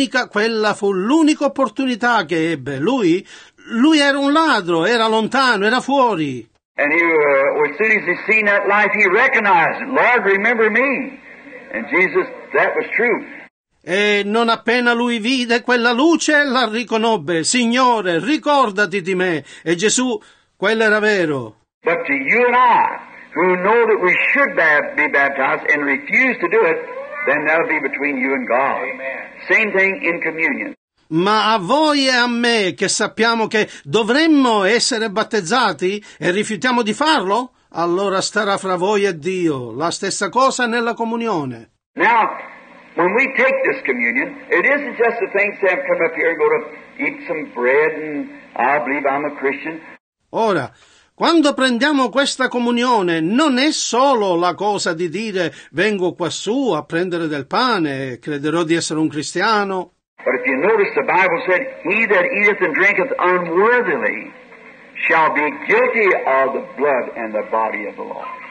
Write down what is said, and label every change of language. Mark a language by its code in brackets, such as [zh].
[it] Quella fu l'unica opportunità che ebbe. Lui era un ladro, era lontano, era fuori. [en] And he, as soon as he seen that life, he recognized, Lord, remember me. And Jesus, that was true. [it] E non appena lui vide quella luce, la riconobbe, Signore, ricordati di me. E Gesù, quello era vero. [en] But to you and I, who know that we should be baptized and refuse to do it, then that'll be between you and God. Amen. Same thing in communion. [it] Ma a voi e a me che sappiamo che dovremmo essere battezzati e rifiutiamo di farlo, allora starà fra voi e Dio la stessa cosa nella comunione. [en] Now, when we take this communion, it isn't just the things that come up here and go to eat some bread and I believe I'm a Christian. [it] Ora, quando prendiamo questa comunione, non è solo la cosa di dire vengo quassù a prendere del pane e crederò di essere un cristiano. [en] But if you notice, the Bible said, he that eateth and drinketh unworthily shall be guilty of the blood and the body of the Lord.